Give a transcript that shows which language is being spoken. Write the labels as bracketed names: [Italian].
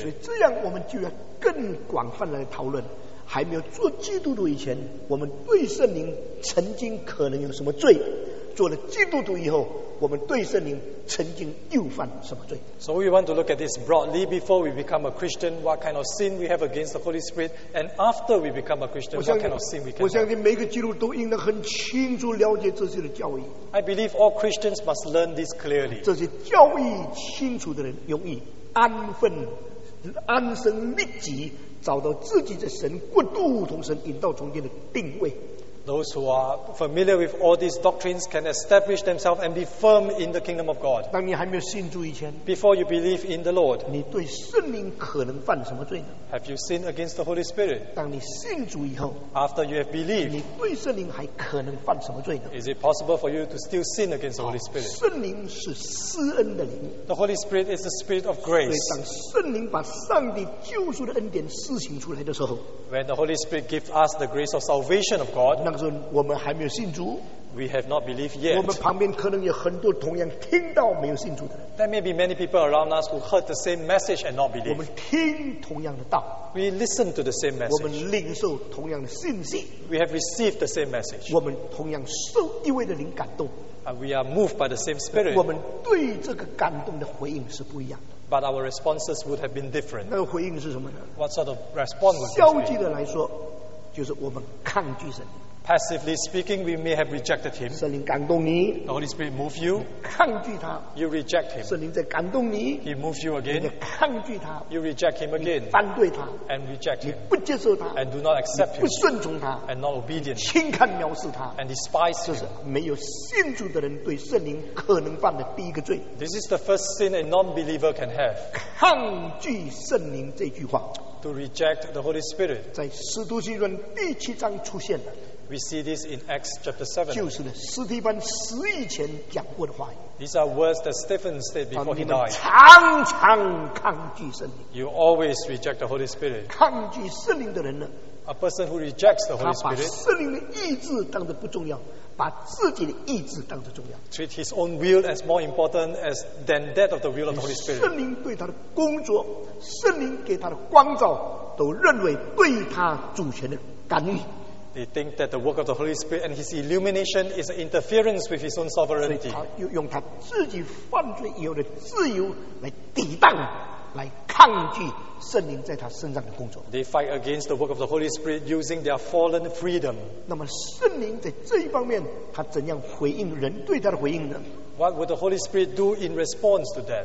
[Chinese] 所以这样我们就要更广泛来讨论，还没有做基督徒以前，我们对圣灵曾经可能有什么罪？做了基督徒以后，我们对圣灵曾经又犯什么罪？ [English] So we want to look at this broadly before we become a Christian, what kind of sin we have against the Holy Spirit, and after we become a Christian, what kind of sin we can have. [Chinese] 我相信每个基督徒都应该很清楚了解这些的教义。 [English] I believe all Christians must learn this clearly. [Chinese] 这些教义清楚的人容易安分、安身立己，找到自己的神国度同神引导中间的定位。 [English] Those who are familiar with all these doctrines can establish themselves and be firm in the kingdom of God. [Chinese] 当你还没有信主以前， [English] before you believe in the Lord, [Chinese] 你对圣灵可能犯什么罪呢？ [English] Have you sinned against the Holy Spirit? [Chinese] 当你信主以后， [English] after you have believed, [Chinese] 你对圣灵还可能犯什么罪呢？ [English] Is it possible for you to still sin against the Holy Spirit? [Chinese] 圣灵是施恩的灵。 [English] The Holy Spirit is the Spirit of grace. [Chinese] 所以当圣灵把上帝救赎的恩典施行出来的时候， [English] when the Holy Spirit gives us the grace of salvation of God, [Chinese] 那个我们还没有信主。 [English] We have not believed yet. [Chinese] 我们旁边可能有很多同样听到没有信主的人。 [English] There may be many people around us who heard the same message and not believe. [Chinese] 我们听同样的道。 [English] We listen to the same message. [Chinese] 我们领受同样的信息。 [English] We have received the same message. [Chinese] 我们同样受一位的灵感动。 [English] We are moved by the same spirit. [Chinese] 我们对这个感动的回应是不一样的。 [English] But our responses would have been different. [Chinese] 那个回应是什么呢？ [English] What sort of response would it be? [Chinese] 消极的来说，就是我们抗拒神。 [English] Passively speaking, we may have rejected him. [Chinese] 圣灵感动你。 [English] The Holy Spirit moves you. [Chinese] 你抗拒他。 [English] You reject him. [Chinese] 圣灵在感动你。 [English] He moves you again. [Chinese] 你抗拒他。 [English] You reject him again. [Chinese] 你反对他。 [English] And reject him. [Chinese] 你不接受他。 [English] And do not accept him. [Chinese] 不顺从他。 [English] And not obedient. [Chinese] 轻看藐视他。 [English] And despise him. [Chinese] 这是没有信主的人对圣灵可能犯的第一个罪。 [English] This is the first sin a non-believer can have. [Chinese] 抗拒圣灵这句话。 [English] To reject the Holy Spirit. [Chinese] 在使徒行传第七章出现了。 [English] We see this in Acts chapter 7. [Chinese] 就是斯提班死以前讲过的话语。 [English] These are words that Stephen said before he died. [Chinese] 常常抗拒圣灵。 [English] You always reject the Holy Spirit. [Chinese] 抗拒圣灵的人呢？ [English] A person who rejects the Holy Spirit. [Chinese] 他把圣灵的意志当作不重要，把自己的意志当作重要。 [English] Treat his own will as more important as than that of the will of the Holy Spirit. [Chinese] 圣灵对他的工作，圣灵给他的光照，都认为对他主权的干预。 [English] He thinks that the work of the Holy Spirit and his illumination is an interference with his own sovereignty. [Chinese] 所以他用他自己犯罪以后的自由来抵挡，来抗拒圣灵在他身上的工作。 [English] They fight against the work of the Holy Spirit using their fallen freedom. [Chinese] 那么圣灵在这一方面，他怎样回应人对他的回应呢？ [English] What would the Holy Spirit do in response to that?